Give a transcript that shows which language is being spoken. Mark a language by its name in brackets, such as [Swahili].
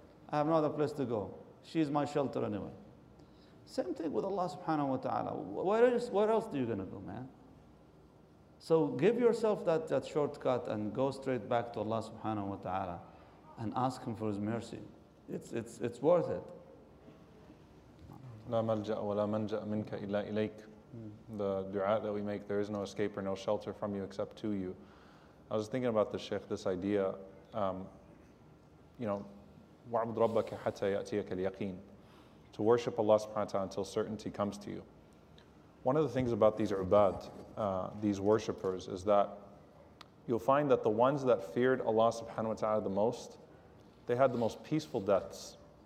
[English] I have no other place to go. She's my shelter anyway. Same thing with Allah subhanahu wa ta'ala. Where else are you going to go, man? So give yourself that shortcut and go straight back to Allah subhanahu wa ta'ala and ask Him for His mercy. It's worth it. [Arabic] لا ملجأ ولا منجأ منك إلا إليك. [English] The dua that we make, there is no escape or no shelter from you except to you. I was thinking about the Sheikh, this idea, [Arabic] وَعْبُدْ رَبَّكَ حَتَّى يَأْتِيَكَ الْيَقِينَ. [English] To worship Allah subhanahu wa ta'ala until certainty comes to you. One of the things about these ubad, these worshippers, is that you'll find that the ones that feared Allah subhanahu wa ta'ala the most, they had the most peaceful deaths.